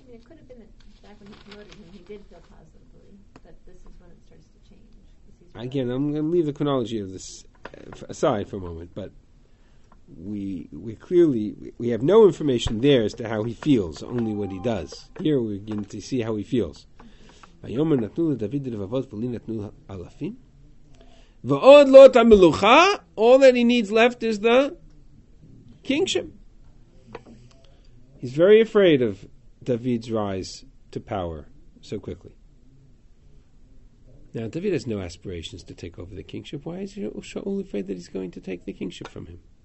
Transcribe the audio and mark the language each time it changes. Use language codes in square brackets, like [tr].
[en] I mean, it could have been that back when he promoted him, he did feel positively, but this is when it starts to change. Again, I'm going to leave the chronology of this aside for a moment, but we have no information there as to how he feels, only what he does. Here we begin to see how he feels. [he] ויאמר נתנו לדוד רבבות ולי נתנו אלפים ועוד לא את המלוכה. [en] All that he needs left is the kingship. He's very afraid of David's rise to power so quickly. Now David has no aspirations to take over the kingship. Why is Shaul afraid that he's going to take the kingship from him?